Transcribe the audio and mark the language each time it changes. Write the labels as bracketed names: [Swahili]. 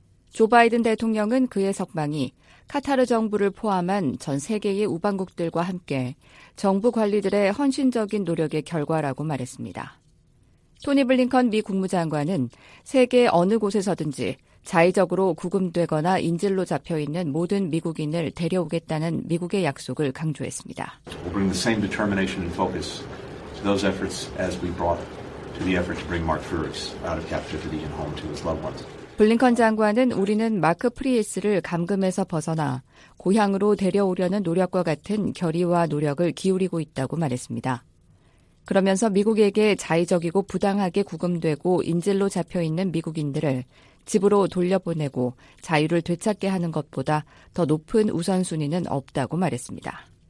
[Korean] 조 바이든 대통령은 그의 석방이 카타르 정부를 포함한 전 세계의 우방국들과 함께 정부 관리들의 헌신적인 노력의 결과라고 말했습니다. 토니 블링컨 미 국무장관은 세계 어느 곳에서든지 자의적으로 구금되거나 인질로 잡혀 있는 모든 미국인을 데려오겠다는 미국의 약속을 강조했습니다. [English] We'll bring the same determination and focus to those efforts as we brought to the effort to bring Mark Furix out of captivity and home to his loved ones. [Korean] 블링컨 장관은 우리는 마크 프리에스를 감금에서 벗어나 고향으로 데려오려는 노력과 같은 결의와 노력을 기울이고 있다고 말했습니다. 그러면서 미국에게 자의적이고 부당하게 구금되고 인질로 잡혀 있는 미국인들을 집으로 돌려보내고 자유를 되찾게 하는 것보다 더 높은 우선순위는 없다고 말했습니다.